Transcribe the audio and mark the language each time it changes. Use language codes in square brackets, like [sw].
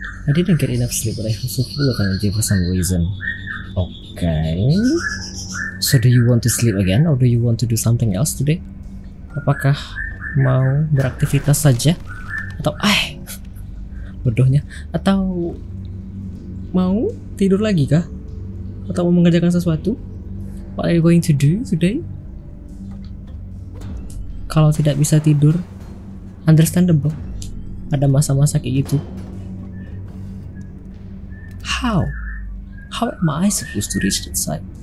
[en] I didn't get enough sleep, but I also feel like I'm for some reason. Okay. So do you want to sleep again, or do you want to do something else today? [id] Apakah mau beraktivitas saja atau bodohnya atau mau tidur lagi kah atau mau mengerjakan sesuatu? [en] What are you going to do today? [id] Kalau tidak bisa tidur, understandable, ada masa-masa kayak gitu. [en] How am I supposed to reach that side?